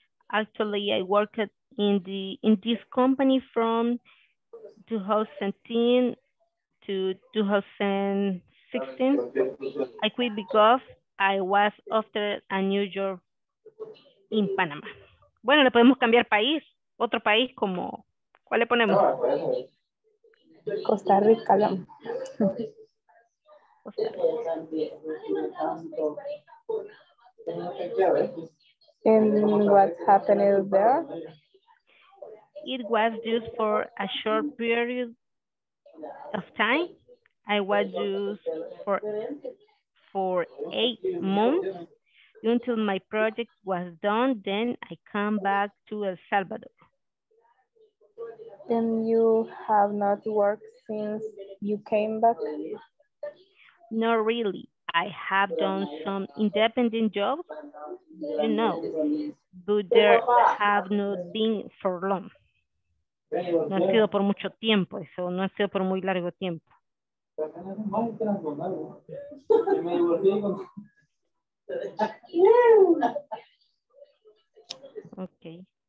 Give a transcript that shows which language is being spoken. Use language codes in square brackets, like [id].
[en] Actually, I worked in this company from 2017 to 2016. I quit because I was offered a new job in Panama. [es] Bueno, le podemos cambiar país, otro país como, ¿cuál le ponemos? Costa Rica. ¿No? Costa Rica. [en] And what happened there? It was just for a short period of time. I was used for 8 months until my project was done. Then I come back to El Salvador. Then you have not worked since you came back? Not really. I have done some independent jobs, you know, but there have not been for long. [es] No ha sido por mucho tiempo, eso no ha sido por muy largo tiempo. [en] Okay.